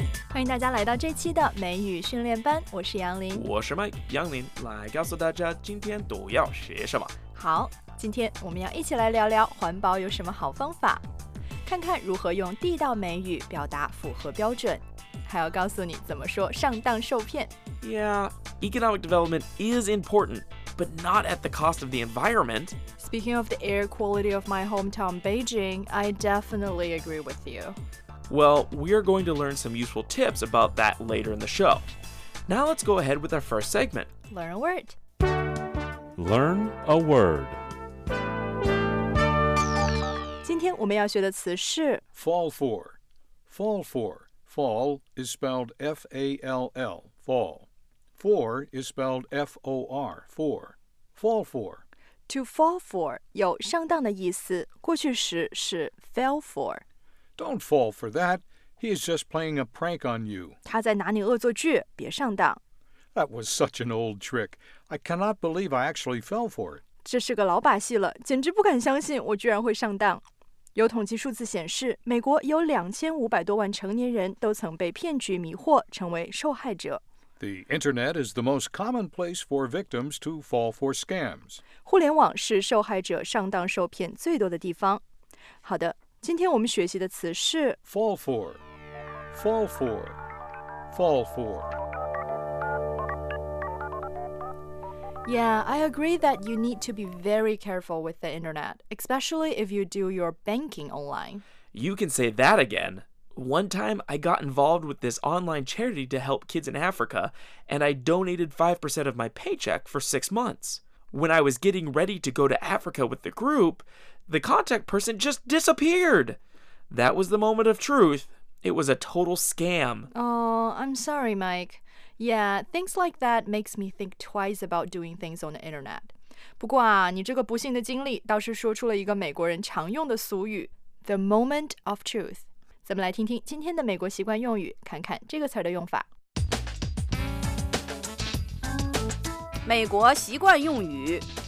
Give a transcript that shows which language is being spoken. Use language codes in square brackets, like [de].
[zh] 欢迎大家来到这期的美语训练班，我是杨林，我是麦杨林，来告诉大家今天都要学什么。好，今天我们要一起来聊聊环保有什么好方法，看看如何用地道美语表达符合标准，还要告诉你怎么说上当受骗。 [en] Yeah, economic development is important, but not at the cost of the environment. Speaking of the air quality of my hometown Beijing, I definitely agree with you. Well, we are going to learn some useful tips about that later in the show. Now let's go ahead with our first segment. Learn a word. Learn a word. [zh] 今天我们要学的词是 [en] fall for. Fall for. Fall is spelled F-A-L-L, fall. For is spelled F-O-R, for. Fall for. To fall for [zh] 有上当的意思，过去时是 [en] fell for. Don't fall for that. He is just playing a prank on you. [zh] 他在拿你恶作剧，别上当。 [en] That was such an old trick. I cannot believe I actually fell for it. [zh] 这是个老把戏了，简直不敢相信我居然会上当。有统计数字显示，美国有2500多万成年人都曾被骗局迷惑，成为受害者。 [en] The internet is the most common place for victims to fall for scams. [zh] 互联网是受害者上当受骗最多的地方。好的，今天我们学习的词是 [en] fall for, fall for, fall for. Yeah, I agree that you need to be very careful with the internet, especially if you do your banking online. You can say that again. One time, I got involved with this online charity to help kids in Africa, and I donated 5% of my paycheck for 6 months. When I was getting ready to go to Africa with the group, the contact person just disappeared. That was the moment of truth. It was a total scam. Oh, I'm sorry, Mike. Yeah, things like that makes me think twice about doing things on the internet. [zh] 不过啊，你这个不幸的经历倒是说出了一个美国人常用的俗语 [en] The moment of truth. [zh] 咱们来听听今天的美国习惯用语，看看这个词的用法。美国习惯用语